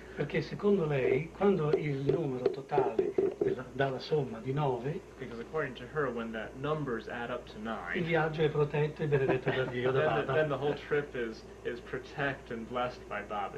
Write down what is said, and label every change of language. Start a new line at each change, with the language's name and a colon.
Italian: Perché secondo lei, quando il numero totale dà la somma di 9,
English: because according to her, when that numbers add up to 9,
Italian: il viaggio è protetto e benedetto da Dio, da Baba.
English: Then the whole trip is protect and blessed by Baba.